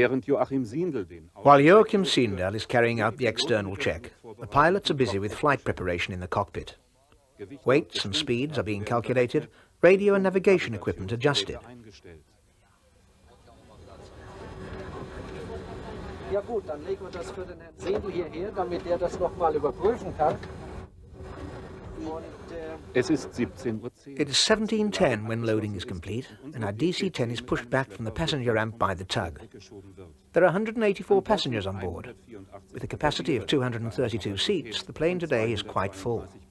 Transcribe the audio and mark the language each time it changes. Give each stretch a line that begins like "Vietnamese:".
English: While Joachim Siehndel is carrying out the external check, the pilots are busy with flight preparation in the cockpit. Weights and speeds are being calculated, radio and navigation equipment adjusted.
German: Ja gut, dann legen wir das für den Herrn Siehndel hierher, damit er das nochmal überprüfen kann.
English: It is 17:10 when loading is complete, and our DC-10 is pushed back from the passenger ramp by the tug. There are 184 passengers on board. With a capacity of 232 seats, the plane today is quite full.